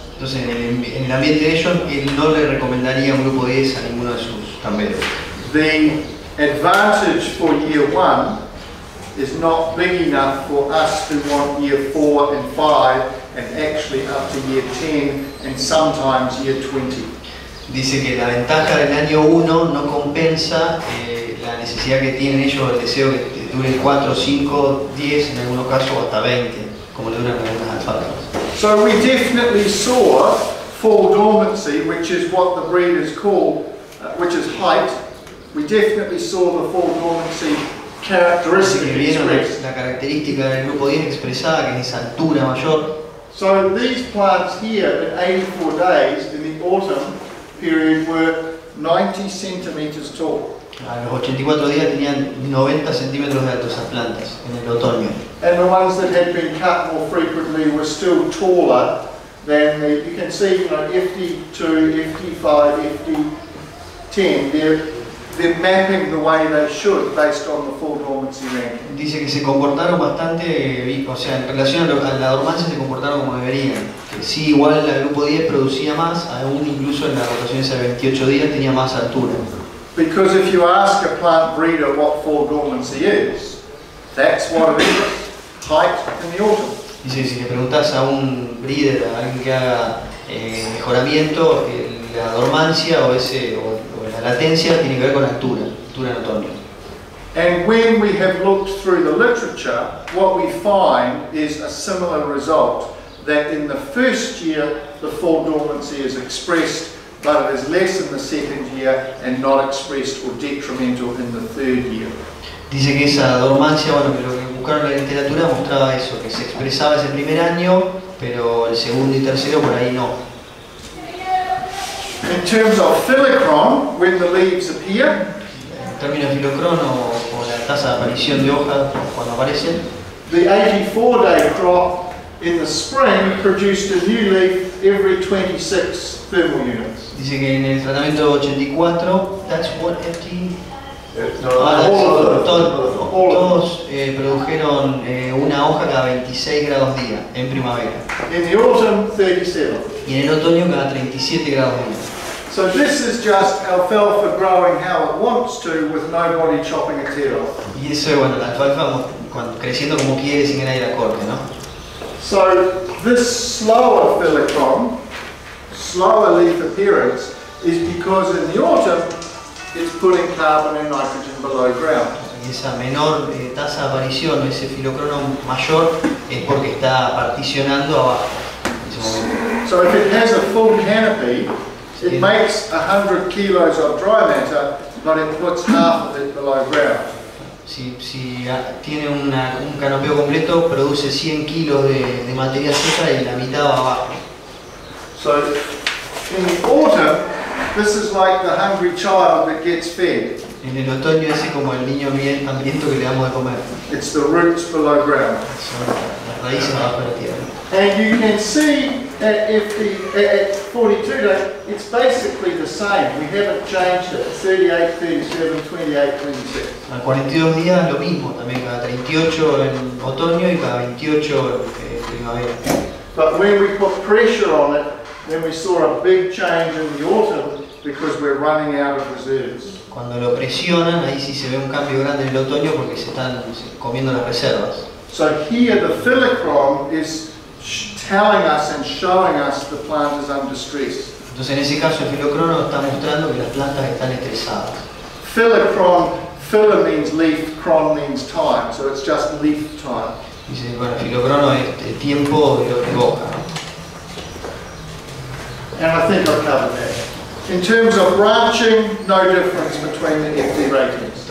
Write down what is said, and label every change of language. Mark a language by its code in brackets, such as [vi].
[es] Entonces en el ambiente de ellos, él no le recomendaría un grupo 10 a ninguno de sus camperos. [en] The advantage for year 1 is not big enough for us to want year 4 and 5 and actually up to year 10 and sometimes year 20. [es] Dice que la ventaja del año 1 no compensa la necesidad que tienen ellos, el deseo que duren 4, 5, 10, en algunos casos hasta 20, como le duran algunas alfalfas. [en] So we definitely saw fall dormancy, which is what the breed is called, which is height. We definitely saw the fall dormancy characteristic. [es] Que vieron la característica del grupo 10 expresada, que es esa altura mayor. [en] So these plants here in 84 days in the autumn period were 90 centimeters tall. [es] A los 84 días tenían 90 centímetros de alto esas plantas en el otoño. [en] And the ones that had been cut more frequently were still taller than the, you can see, you know, 52, 55, 50, 10. They're mapping the way they should based on the full dormancy rank. [es] Dice que se comportaron bastante, o sea, en relación a la dormancia se comportaron como deberían. Que sí, igual el grupo 10 producía más, aún incluso en las rotaciones a 28 días tenía más altura. [en] Because if you ask a plant breeder what full dormancy is, that's what it is, height in the autumn. [es] Dice, si le preguntas a un breeder, a alguien que haga mejoramiento, la dormancia o ese o la latencia tiene que ver con la altura, altura en otoño. [en] And when we have looked through the literature, what we find is a similar result, that in the first year the full dormancy is expressed, but it is less in the second year and not expressed or detrimental in the third year. [es] Dice que esa dormancia, bueno, que lo que buscaron en la literatura mostraba eso, que se expresaba ese primer año, pero el segundo y tercero por ahí no. [en] In terms of filicron, when the leaves appear, [es] en términos de filicron o la tasa de aparición de hojas cuando aparecen, [en] the 84 day crop in the spring produced a new leaf every 26 thermal units. [es] Dice que en el tratamiento 84, [en] that's what FT. [es] Todos produjeron una hoja cada 26 grados día en primavera. [en] In the autumn, 37. [es] Y en el otoño cada 37 grados día. [en] So this is just alfalfa growing how it wants to with nobody chopping its head off. [es] Y eso es bueno, la alfalfa creciendo como quiere sin que nadie la corte, ¿no? [en] So this slower filicron, slower leaf appearance, is because in the autumn it's putting carbon and nitrogen below ground. [es] Y esa menor tasa de aparición, ese filocrono mayor, es porque está particionando abajo. [en] So if it has a full canopy, it makes 100 kilos of dry matter, but it puts half of it below ground. [es] Si tiene un canopeo completo, produce 100 kilos de materia seca y la mitad va abajo. [en] So, in the autumn, this is like the hungry child that gets fed. [es] En el otoño es como el niño hambriento que le damos de comer. [en] It's the roots below ground. [es] Las raíces abajo de la tierra. [en] And you can see that at 42 days, it's basically the same. We haven't changed it. 38, 37, 28, 26. [es] A 42 días lo mismo, también cada 38 en otoño y cada 28 en primavera. [en] But when we put pressure on it, then we saw a big change in the autumn because we're running out of reserves. [es] Cuando lo presionan, ahí sí se ve un cambio grande en el otoño porque se están comiendo las reservas. [en] So here the filicron is telling us and showing us the plant is under stress. [es] Entonces en ese caso el filocrono está mostrando que las plantas están estresadas. [en] Filicron, fila means leaf, cron means time, so it's just leaf time. [es] Dice, bueno, filocrono es el tiempo de lo que boca. [en] And I think I've covered that. In terms of branching, no difference between the FD ratings.